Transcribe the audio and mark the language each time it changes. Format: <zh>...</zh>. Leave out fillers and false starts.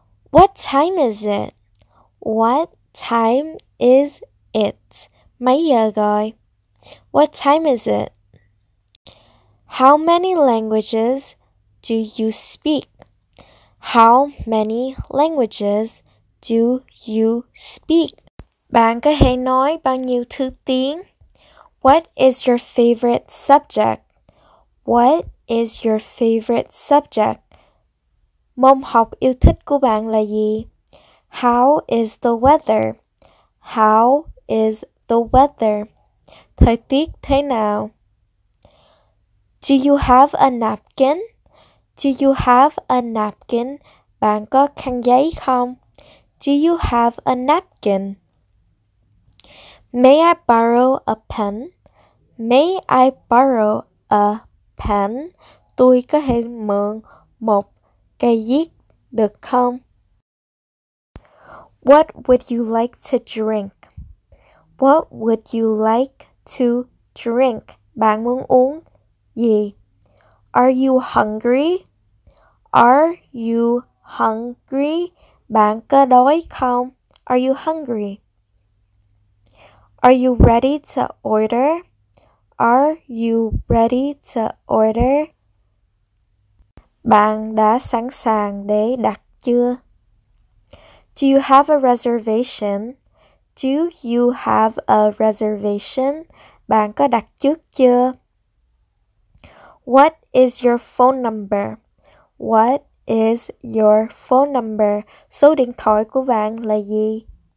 <en>What time is it? What time is it?</en> <vi>Mấy giờ rồi?</vi> <en>What time is it? How many languages do you speak? How many languages do you speak?</en> <vi>Bạn có thể nói bao nhiêu thứ tiếng?</vi> <en>What is your favorite subject? What is your favorite subject?</en> <vi>Môn học yêu thích của bạn là gì?</vi> <en>How is the weather? How is the weather?</en> <vi>Thời tiết thế nào?</vi> <en>Do you have a napkin? Do you have a napkin?</en> <vi>Bạn có khăn giấy không?</vi> <en>Do you have a napkin? May I borrow a pen? May I borrow a pen?</en> <vi>Tôi có thể mượn một cây viết được không?</vi> <en>What would you like to drink? What would you like to drink?</en> <vi>Bạn muốn uống gì?</vi> <en>Are you hungry? Are you hungry?</en> <vi>Bạn có đói không?</vi> <en>Are you hungry? Are you ready to order? Are you ready to order?</en> <vi>Bạn đã sẵn sàng để đặt chưa?</vi> <en>Do you have a reservation? Do you have a reservation?</en> <vi>Bạn có đặt trước chưa?</vi> <en>What is your phone number? What is your phone number?</en> <vi>Số điện thoại của bạn là gì?</vi>